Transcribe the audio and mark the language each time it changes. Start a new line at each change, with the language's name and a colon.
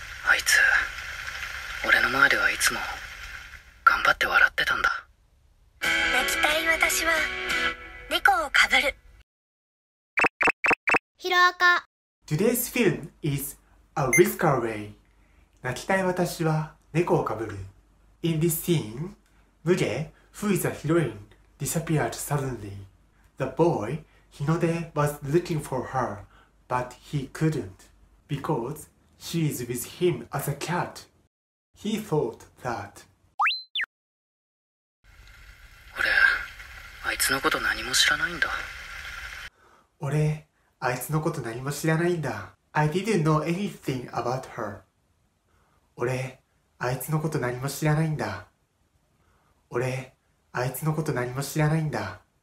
Japanese: あいつ、俺の前ではいつも頑張って笑ってたんだ。泣きたい私は猫をかぶる。ヒロアカ。
English: Today's film is A Whisker Away. 泣きたい私は猫をかぶる。 In this scene, Muge, who is a heroine, disappeared suddenly. The boy, Hinode, was looking for her, but he couldn't, because she is with him as a cat. He thought that.
Japanese: 俺、あいつのこと何も知らないんだ。俺、あいつのこと何も知らないんだ。
English: I didn't know anything about her.
Japanese: 俺、あいつのこと何も知らないんだ。俺、あいつのこと何も知らないんだ。